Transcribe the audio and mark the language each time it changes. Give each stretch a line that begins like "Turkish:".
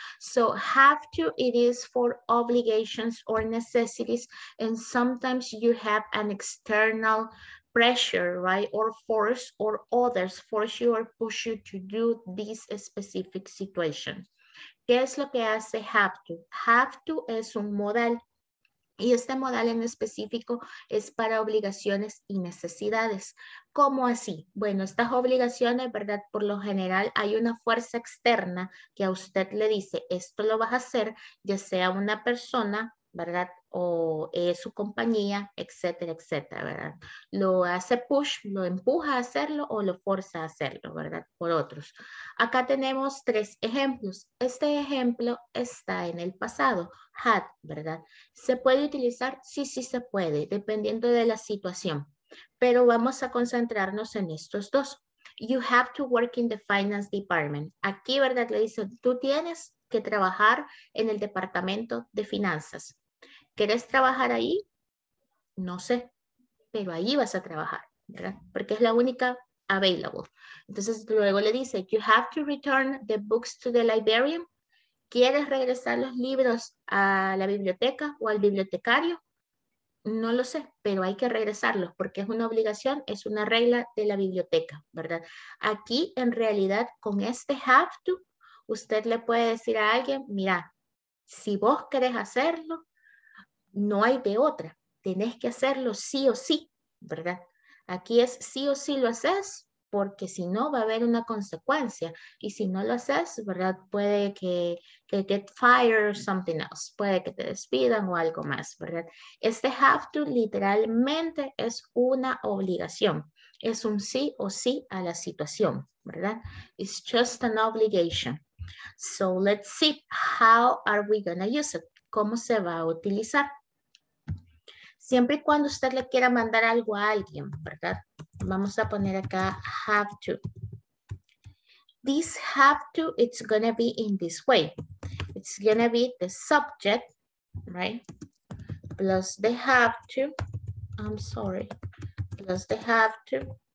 English: So have to, it is for obligations or necessities, and sometimes you have an external pressure, right? Or force, or others force you or push you to do this specific situation.
Spanish: ¿Qué es lo que hace have to? Have to es un modal y este modal en específico es para obligaciones y necesidades. ¿Cómo así? Bueno, estas obligaciones, ¿verdad? Por lo general hay una fuerza externa que a usted le dice, esto lo vas a hacer, ya sea una persona, ¿verdad? O su compañía, etcétera, etcétera, ¿verdad? Lo hace push, lo empuja a hacerlo o lo fuerza a hacerlo, ¿verdad? Por otros. Acá tenemos tres ejemplos. Este ejemplo está en el pasado, had, ¿verdad? ¿Se puede utilizar? Sí, sí se puede, dependiendo de la situación. Pero vamos a concentrarnos en estos dos.
English: You have to work in the finance department.
Spanish: Aquí, ¿verdad? Le dicen, tú tienes que trabajar en el departamento de finanzas. ¿Quieres trabajar ahí? No sé, pero ahí vas a trabajar, ¿verdad? Porque es la única
English: available.
Spanish: Entonces luego le dice,
English: you have to return the books to the librarian.
Spanish: ¿Quieres regresar los libros a la biblioteca o al bibliotecario? No lo sé, pero hay que regresarlos porque es una obligación, es una regla de la biblioteca, ¿verdad? Aquí en realidad con este have to, usted le puede decir a alguien, mira, si vos querés hacerlo, no hay de otra. Tenés que hacerlo sí o sí, ¿verdad? Aquí es sí o sí lo haces, porque si no va a haber una consecuencia. Y si no lo haces, ¿verdad? Puede que
English: get fired or something else.
Spanish: Puede que te despidan o algo más, ¿verdad? Este have to literalmente es una obligación. Es un sí o sí a la situación, ¿verdad?
English: It's just an obligation. So let's see, how are we gonna use it?
Spanish: ¿Cómo se va a utilizar? Siempre y cuando usted le quiera mandar algo a alguien, ¿verdad? Vamos a poner acá have to.
English: This have to, it's gonna be in this way. It's gonna be the subject, right? Plus the have to, I'm sorry. Plus the have to.